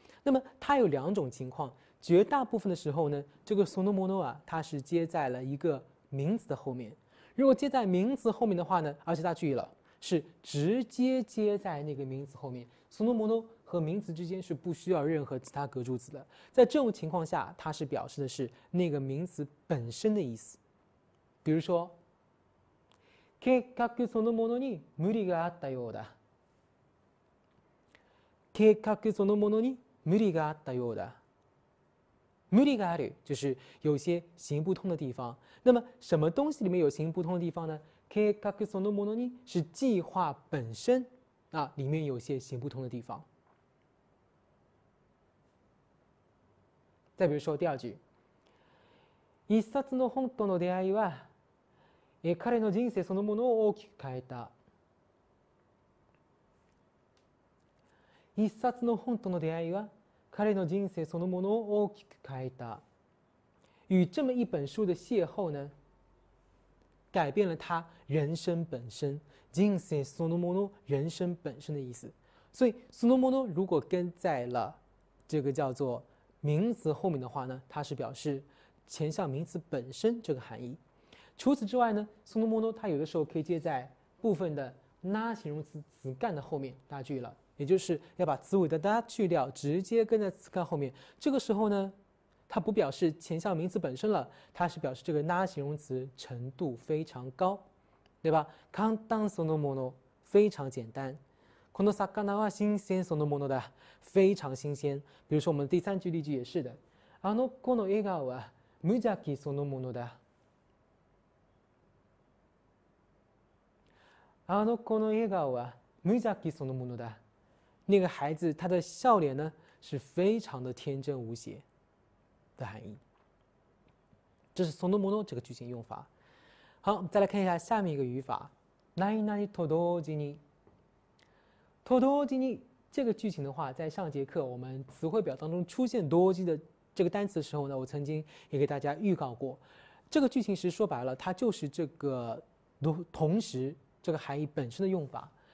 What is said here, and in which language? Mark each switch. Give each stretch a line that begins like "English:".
Chinese: 那么它有两种情况，绝大部分的时候呢，这个そのもの啊，它是接在了一个名词的后面。如果接在名词后面的话呢，而且大家注意了，是直接接在那个名词后面，そのもの。和名词之间是不需要任何其他格助词的，在这种情况下，它是表示的是那个名词本身的意思。比如说，
Japanese: 計画そのものに無理があったようだ。計画そのものに無理があったようだ。無理がある，
Chinese: 就是有些行不通的地方。那么，什么东西里面有行不通的地方呢？
Japanese: 計画そのものに
Chinese: 是计划本身，啊，里面有些行不通的地方。再比如说第二句。
Japanese: 一冊の本との出会いは、彼の人生そのものを大きく変えた。一冊の本との出会いは、彼の人生そのものを大きく変えた。
Chinese: 与这么一本书的邂逅呢，改变了他人生本身。
Japanese: 人生そのもの，
Chinese: 人生本身的意思。所以そのもの如果跟在了这个叫做。名词后面的话呢，它是表示前向名词本身这个含义。除此之外呢，その、它有的时候可以接在部分的那形容词词干的后面，大家注意了，也就是要把词尾的那去掉，直接跟在词干后面。这个时候呢，它不表示前向名词本身了，它是表示这个那形容词程度非常高，对吧？
Japanese: 簡単そのもの，
Chinese: 非常简单。
Japanese: この魚は新鮮そのものだ，
Chinese: 非常新鲜。比如说我们第三句例句也是的，
Japanese: あの子の笑顔は無邪気そのものだ。あの子の笑顔は無邪気そのものだ。
Chinese: 那个孩子，他的笑脸呢，是非常的天真无邪的含义。这是"そのもの"这个句型用法。好，再来看一下下面一个语法，
Japanese: 何々と同時に。
Chinese: と同時に这个句型的话，在上节课我们词汇表当中出现"同時"的这个单词的时候呢，我曾经也给大家预告过，这个句型其实说白了，它就是这个同时这个含义本身的用法。